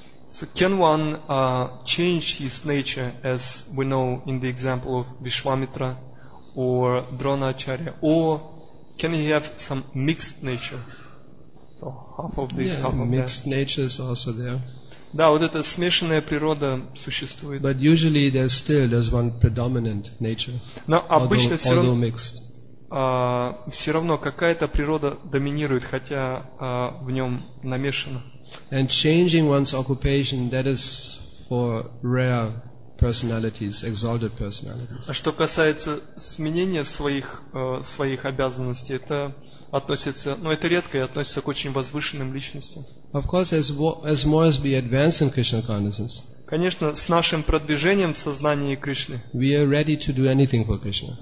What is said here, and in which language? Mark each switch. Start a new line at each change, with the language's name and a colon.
English: So can one change his nature, as we know in the example of Vishwamitra or Dronacharya, or can he have some mixed nature? So half of this, yeah, half of that. Yeah, mixed nature is also there.
Russian: Да, вот эта смешанная природа существует.
English: But usually there's still there's one predominant nature.
Russian: Но обычно все равно какая-то природа доминирует, хотя в нем намешано.
English: And changing one's occupation, that is for rare personalities, exalted personalities.
Russian: А что касается сменения своих обязанностей, это относится, ну это редко, и относится к очень возвышенным личностям.
English: Of course, as more as we advance in Krishna consciousness.
Russian: Конечно, с нашим продвижением в сознании Кришны.
English: We are ready to do anything for Krishna.